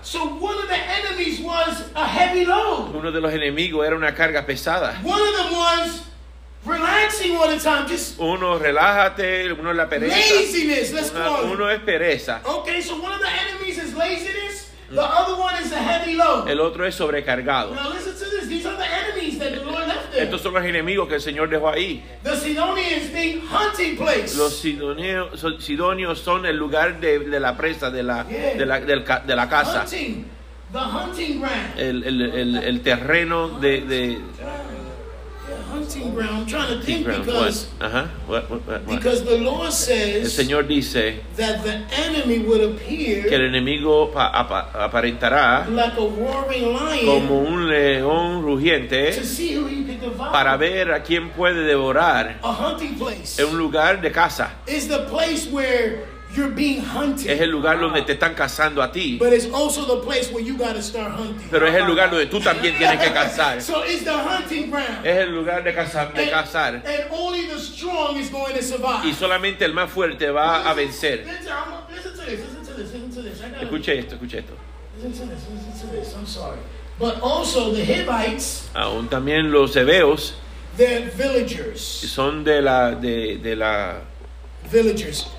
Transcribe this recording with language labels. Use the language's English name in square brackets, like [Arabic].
[English] So one of the enemies was a heavy load. [Spanish] Uno de los enemigos era una carga pesada. [English] One of them was relaxing all the time. Just [Spanish] uno relájate, uno es la pereza. [English] Laziness, let's call it. [Spanish] Uno es pereza. [English] Okay, so one of the enemies is laziness. The other one is a heavy load. [Spanish] El otro es sobrecargado. [English] Now listen to this. These are the enemies that the Lord left there. [Spanish] Estos son los enemigos que el Señor dejó ahí. [English] The Sidonians, the hunting place. [Spanish] Los sidonios son el lugar de la presa, de la caza. [English] Hunting. The hunting ground. [Spanish] El terreno de [English] hunting ground. I'm trying to think ground. Because what? Because the Lord says [Spanish] el Señor dice [English] that the enemy would appear [Spanish] que el enemigo aparentará [English] like a roaring lion [Spanish] como un león rugiente [English] to see who he can devour. [Spanish] Para ver a quién puede devorar. [English] A hunting place [Spanish] es un lugar de caza. [English] Is the place where you're being hunted. [Spanish] Es el lugar donde te están cazando a ti. [English] But it's also the place where you got to start hunting. [Spanish] Pero es el lugar donde tú también tienes que cazar. [English] So it's the hunting ground. [Spanish] Es el lugar de cazar. [English] And only the strong is going to survive. [Spanish] Y solamente el más fuerte va a vencer. [English] Listen to this. [Spanish] Escuche esto. [English] Listen to this. I'm sorry. But also the Hivites. [Spanish] Aún también los Heveos. [English] They're villagers. [Spanish] Son de la [English] villagers